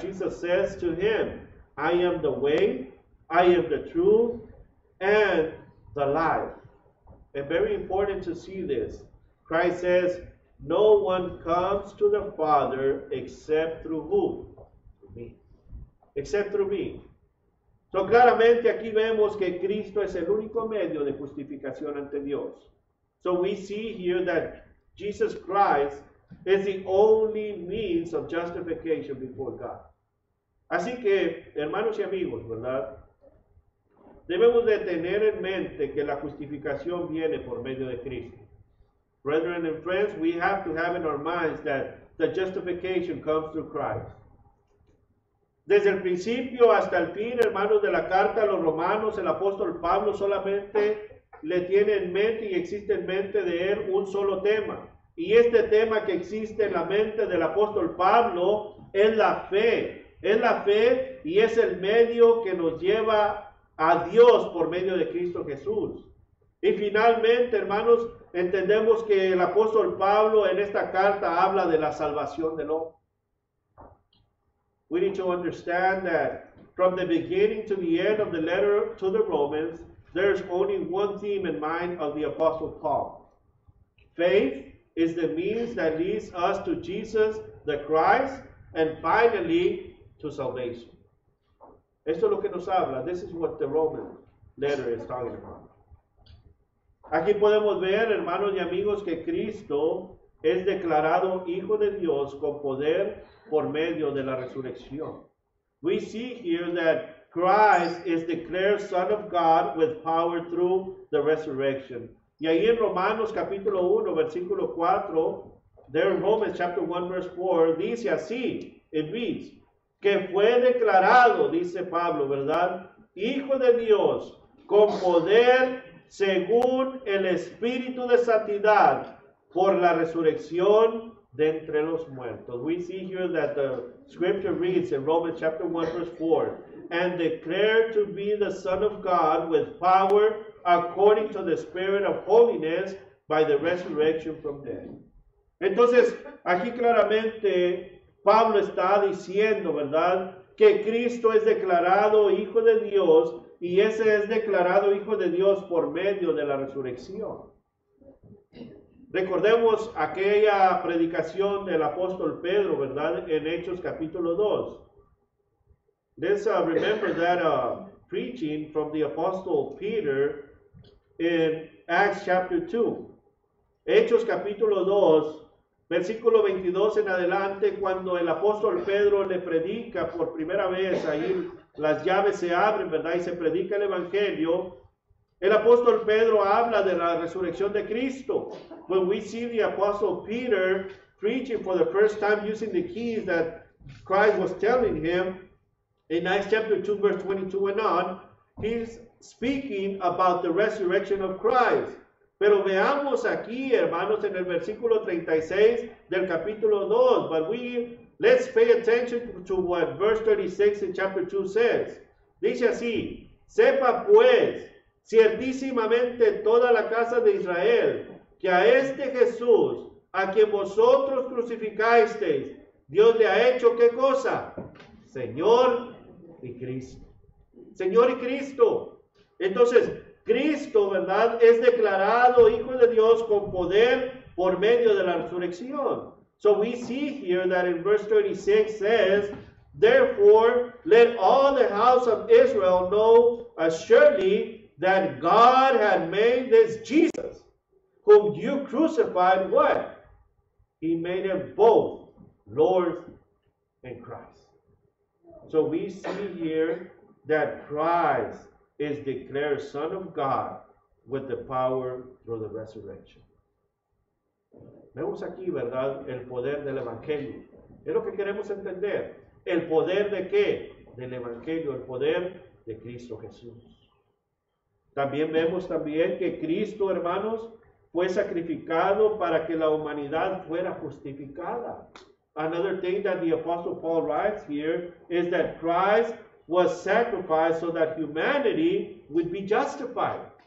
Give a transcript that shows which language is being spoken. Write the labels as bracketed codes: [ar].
[en] Jesus says to him, I am the way, I am the truth, and the life. And very important to see this. Christ says, no one comes to the Father except through who? Through me. Except through me. [es] So claramente aquí vemos que Cristo es el único medio de justificación ante Dios. [en] So we see here that Jesus Christ is the only means of justification before God. [es] Así que, hermanos y amigos, ¿verdad? Debemos de tener en mente que la justificación viene por medio de Cristo. [en] Brethren and friends, we have to have in our minds that the justification comes through Christ. [es] Desde el principio hasta el fin, hermanos, de la carta a los romanos, el apóstol Pablo solamente le tiene en mente y existe en mente de él un solo tema. Y este tema que existe en la mente del apóstol Pablo es la fe. Es la fe y es el medio que nos lleva a Dios por medio de Cristo Jesús. Y finalmente, hermanos, entendemos que el apóstol Pablo en esta carta habla de la salvación del hombre. [en] We need to understand that from the beginning to the end of the letter to the Romans, there's only one theme in mind of the apostle Paul. Faith is the means that leads us to Jesus, the Christ, and finally, to salvation. [es] Esto es lo que nos habla. [en] This is what the Roman letter is talking about. [es] Aquí podemos ver, hermanos y amigos, que Cristo es declarado Hijo de Dios con poder por medio de la resurrección. [en] We see here that Christ is declared Son of God with power through the resurrection. [es] Y ahí en Romanos capítulo 1, versículo 4, [en] there in Romans chapter 1, verse 4, [es] dice así, [en] it reads, [es] que fue declarado, dice Pablo, ¿verdad? Hijo de Dios con poder según el Espíritu de Santidad por la resurrección de entre los muertos. [en] We see here that the scripture reads in Romans chapter 1, verse 4, and declared to be the Son of God with power according to the Spirit of holiness by the resurrection from death. [es] Entonces, aquí claramente Pablo está diciendo, ¿verdad?, que Cristo es declarado Hijo de Dios y ese es declarado Hijo de Dios por medio de la resurrección. Recordemos aquella predicación del apóstol Pedro, ¿verdad?, en Hechos capítulo 2. [en] Let's remember that preaching from the apostle Peter in Acts chapter 2. [es] Hechos capítulo 2. Versículo 22 en adelante, cuando el apóstol Pedro le predica por primera vez, ahí las llaves se abren, ¿verdad? Y se predica el evangelio. El apóstol Pedro habla de la resurrección de Cristo. [en] When we see the apostle Peter preaching for the first time using the keys that Christ was telling him, in Acts chapter 2, verse 22 and on, he's speaking about the resurrection of Christ. [es] Pero veamos aquí, hermanos, en el versículo 36 del capítulo 2. [en] But we, let's pay attention to what verse 36 in chapter 2 says. [es] Dice así, sepa pues, ciertísimamente toda la casa de Israel, que a este Jesús, a quien vosotros crucificasteis, Dios le ha hecho, ¿qué cosa? Señor y Cristo. Señor y Cristo. Entonces, Cristo, ¿verdad?, es declarado Hijo de Dios con poder por medio de la resurrección. [en] So we see here that in verse 36 says, therefore, let all the house of Israel know assuredly that God had made this Jesus, whom you crucified, what? He made him both Lord and Christ. So we see here that Christ is declared Son of God with the power through the resurrection. [es] Vemos aquí, ¿verdad?, el poder del Evangelio. Es lo que queremos entender. ¿El poder de qué? Del Evangelio, el poder de Cristo Jesús. También vemos también que Cristo, hermanos, fue sacrificado para que la humanidad fuera justificada. [en] Another thing that the Apostle Paul writes here is that Christ was sacrificed so that humanity would be justified.